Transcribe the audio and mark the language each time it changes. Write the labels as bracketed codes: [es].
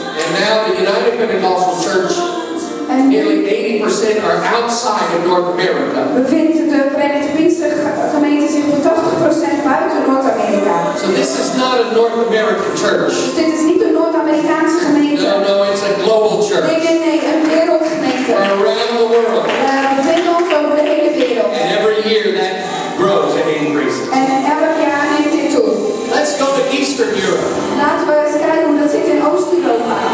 [en] And now the United Pentecostal Church, nearly 80% are outside of North America. [nl] Bevindt de Verenigde Pinkstergemeente zich voor 80% buiten Noord-Amerika. [en] So this is not a North American church. [nl] Dus dit is niet een Noord-Amerikaanse gemeente. [en] No, no, it's a global church. [nl] Nee, een wereldgemeente. [en] And around the world. [nl] Bevindt ons over de hele wereld. [en] And every year that grows and increases. [nl] En elk jaar neemt dit toe. [en] Let's go to Eastern Europe. [nl] Laten we eens kijken hoe dat zit in Oost-Europa.